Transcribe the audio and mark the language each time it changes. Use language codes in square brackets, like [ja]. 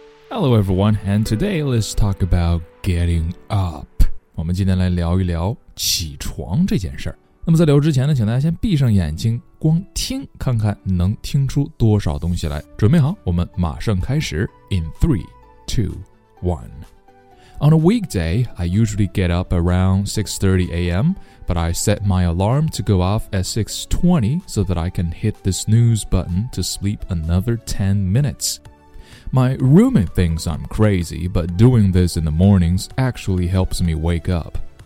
[en] Hello everyone, and today let's talk about getting up. [zh] 我们今天来聊一聊起床这件事儿。那么在聊之前呢，请大家先闭上眼睛，光听，看看能听出多少东西来。准备好，我们马上开始。 [en] In 3, 2, 1. On a weekday, I usually get up around 6:30 a.m., but I set my alarm to go off at 6:20 so that I can hit the snooze button to sleep another 10 minutes. My roommate thinks I'm crazy, but doing this in the mornings actually helps me wake up.